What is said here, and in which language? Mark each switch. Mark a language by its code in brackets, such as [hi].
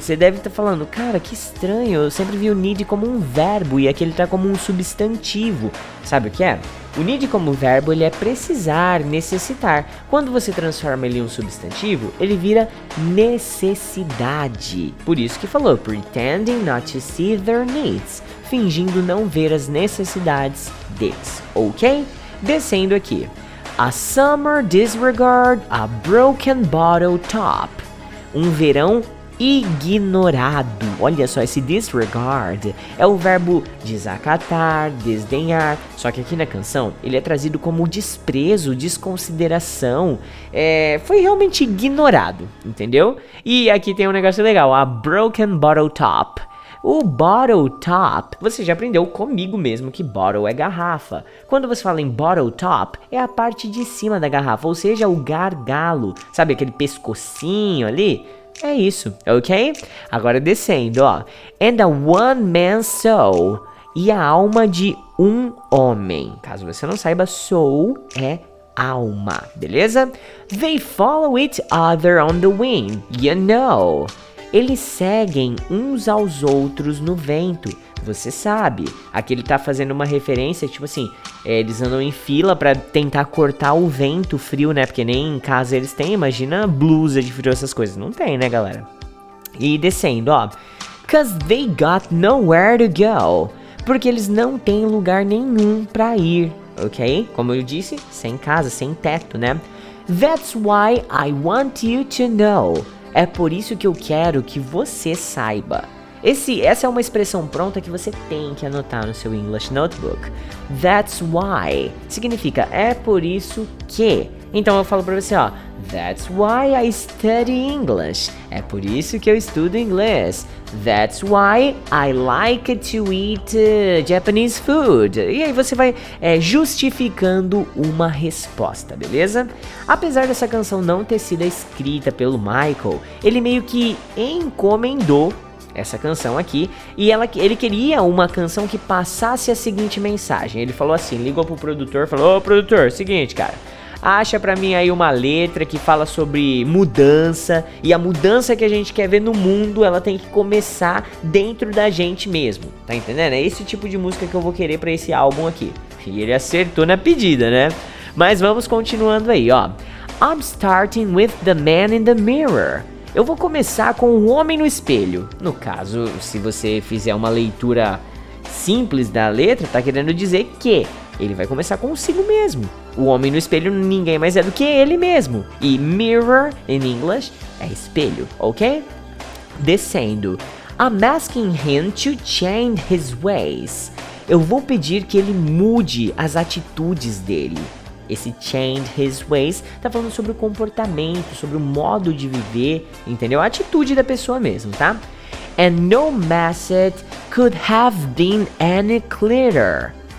[pt] Você deve estar falando, cara, que estranho. Eu sempre vi o need como um verbo e aqui ele tá como um substantivo. Sabe o que é? O need como verbo, ele é precisar, necessitar. Quando você transforma ele em um substantivo, ele vira necessidade. Por isso que falou, [en] pretending not to see their needs. [pt] Fingindo não ver as necessidades deles, ok? Descendo aqui. [en] A summer disregard a broken bottle top. [pt] Um verão ignorado. Olha só, esse disregard é o verbo desacatar, desdenhar. Só que aqui na canção, ele é trazido como desprezo, desconsideração. É, foi realmente ignorado, entendeu? E aqui tem um negócio legal, a broken bottle top. O bottle top, você já aprendeu comigo mesmo que bottle é garrafa. Quando você fala em bottle top, é a parte de cima da garrafa, ou seja, o gargalo. Sabe aquele pescocinho ali? É isso, ok? Agora descendo, ó. [en] And a one man soul. [pt] E a alma de um homem. Caso você não saiba, soul é alma, beleza? [en] They follow each other on the wind, you know. [pt] Eles seguem uns aos outros no vento, você sabe. Aqui ele tá fazendo uma referência, tipo assim, eles andam em fila pra tentar cortar o vento frio, né? Porque nem em casa eles têm, imagina blusa de frio, essas coisas. Não tem, né, galera? E descendo, ó. [en] 'Cause they got nowhere to go. [pt] Porque eles não têm lugar nenhum pra ir, ok? Como eu disse, sem casa, sem teto, né? [en] That's why I want you to know. [pt] É por isso que eu quero que você saiba. Essa é uma expressão pronta que você tem que anotar no seu English Notebook. [en] That's why. [pt] Significa, é por isso que. Então eu falo pra você, ó. [en] That's why I study English. [pt] É por isso que eu estudo inglês. [en] That's why I like to eat Japanese food. [pt] E aí você vai justificando uma resposta, beleza? Apesar dessa canção não ter sido escrita pelo Michael, ele meio que encomendou essa canção aqui, e ele queria uma canção que passasse a seguinte mensagem. Ele falou assim, ligou pro produtor, falou: ô produtor, seguinte, cara, acha pra mim aí uma letra que fala sobre mudança, e a mudança que a gente quer ver no mundo, ela tem que começar dentro da gente mesmo, tá entendendo? É esse tipo de música que eu vou querer pra esse álbum aqui. E ele acertou na pedida, né? Mas vamos continuando aí, ó. [en] I'm starting with the man in the mirror. [pt] Eu vou começar com o homem no espelho. No caso, se você fizer uma leitura simples da letra, tá querendo dizer que ele vai começar consigo mesmo. O homem no espelho, ninguém mais é do que ele mesmo. E mirror, [en] in English, [pt] é espelho, ok? Descendo. [en] I'm asking him to change his ways. [pt] Eu vou pedir que ele mude as atitudes dele. Esse [en] change his ways [pt] tá falando sobre o comportamento, sobre o modo de viver, entendeu? A atitude da pessoa mesmo, tá? [en] And no message could have been any clearer.